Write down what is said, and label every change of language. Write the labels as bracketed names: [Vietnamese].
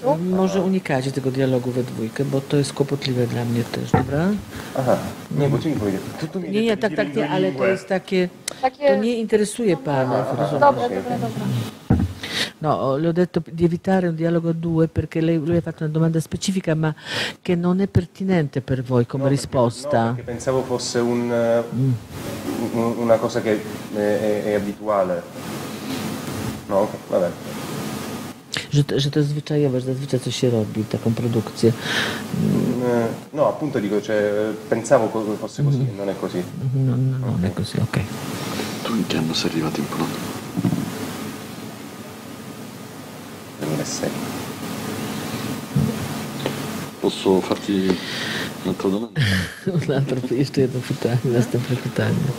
[Polish] Może unikać tego dialogu we dwójkę, bo to jest kłopotliwe dla mnie też, dobra? Aha, nie, bo ci mi powiedział. Nie, tak, ale to jest takie... Takie... To nie interesuje pana. Dobra. [Italian] No, le ho detto di evitare un dialogo a due perché lui ha fatto una domanda specifica, ma che non è pertinente per voi come risposta. No, perché pensavo fosse una cosa che è abituale. No, vabbè. [Polish] Że to zwyczajowe, że zazwyczaj coś się robi, taką produkcję. [Italian] No, appunto dico, cioè, pensavo fosse così, non è così. No, non è così, ok. Tu in che anno sei arrivato in Polonia? 2006. Posso farti un'altra domanda? Un'altra, [Polish] jeszcze jedno pytanie, następne pytanie.